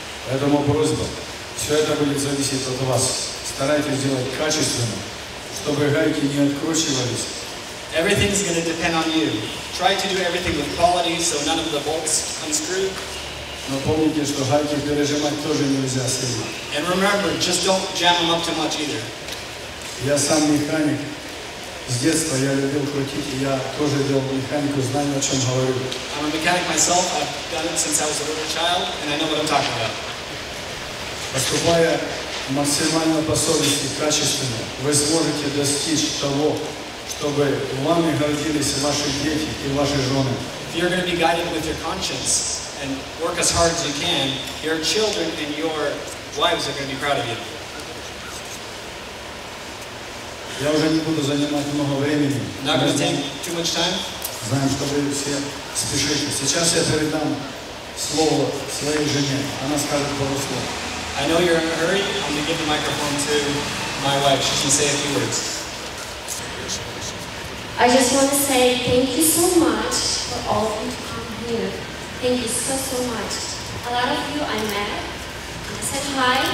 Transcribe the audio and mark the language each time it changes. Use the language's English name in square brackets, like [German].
[Russian] Поэтому просьба. Все это будет зависеть от вас. Старайтесь делать качественно, чтобы гайки не откручивались. [English] Everything is going to depend on you. Try to do everything with quality, so none of the bolts unscrew. [Russian] Но помните, что гайки пережимать тоже нельзя сильно. [English] And remember, just don't jam them up too much either. [Russian] Я сам механик. С детства я любил крутить, и я тоже делал механику, знаю, о чем говорю. [English] I'm a mechanic myself. I've done it since I was a little child, and I know what I'm talking about. [Russian] Поступая максимально по совести, качественно, вы сможете достичь того, чтобы вами гордились ваши дети и ваши жены. [English] If you're going to be guided with your conscience and work as hard as you can, your children and your wives are going to be proud of you. [Russian] Я уже не буду занимать много времени. [English] Not going to take too much time. [Russian] Знаем, что вы все спешите. Сейчас я передам слово своей жене. Она скажет пару слов. [English] I know you're in a hurry. I'm going to give the microphone to my wife. She can say a few words. I just want to say thank you so much for all of you to come here. Thank you so, so much. A lot of you I met, I said hi.